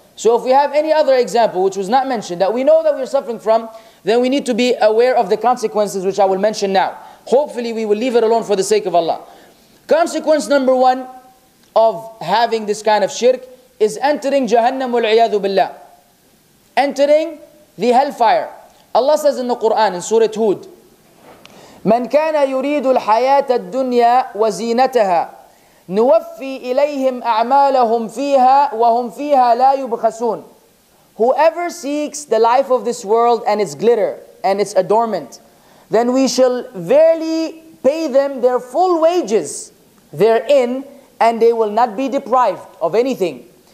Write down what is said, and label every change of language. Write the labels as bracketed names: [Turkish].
[English] So if we have any other example which was not mentioned that we know that we are suffering from, then we need to be aware of the consequences which I will mention now. Hopefully we will leave it alone for the sake of Allah. Consequence number one of having this kind of shirk is entering Jahannam wal-iyadu billah. Entering the hellfire. Allah says in the Quran, in Surah Hud, [Arabic] مَنْ كَانَ يُرِيدُ الْحَيَاةَ الدُّنْيَا وَزِينَتَهَا نُوَفِّي إِلَيْهِمْ أَعْمَالَهُمْ فِيهَا وَهُمْ فِيهَا لَا يُبْخَسُونَ. [English] Whoever seeks the life of this world and its glitter and its adornment, then we shall verily pay them their full wages therein, and they will not be deprived of anything.